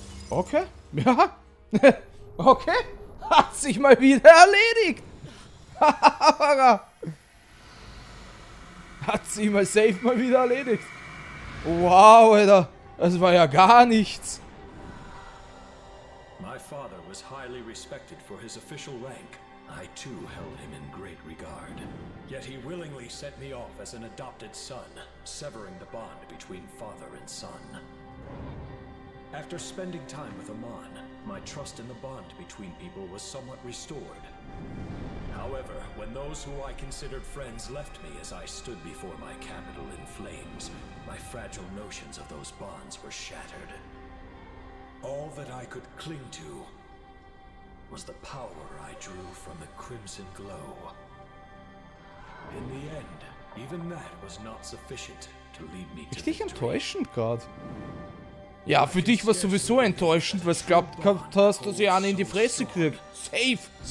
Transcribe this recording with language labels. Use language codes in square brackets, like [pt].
[de] Okay. Ja. Okay. Hat sich mal wieder erledigt. Hat sich mal safe mal wieder erledigt. Wow, Alter. Das war ja gar nichts. [en] My father was highly respected for his official rank. I too held him in great regard. Yet he willingly set me off as an adopted son, severing the bond between father and son. After spending time with Amon, my my trust in the bond between people was somewhat restored. However, when those who I considered friends left me as I stood before my capital in flames, my fragile notions of those bonds were shattered. All that I could cling to was the power I drew from the crimson glow. In the end, even that was not sufficient to lead me to victory. [de] Enttäuschend gerade. Ja, für dich war es sowieso enttäuschend, weil du glaubt gehabt hast, dass ich einen in die Fresse krieg. Safe!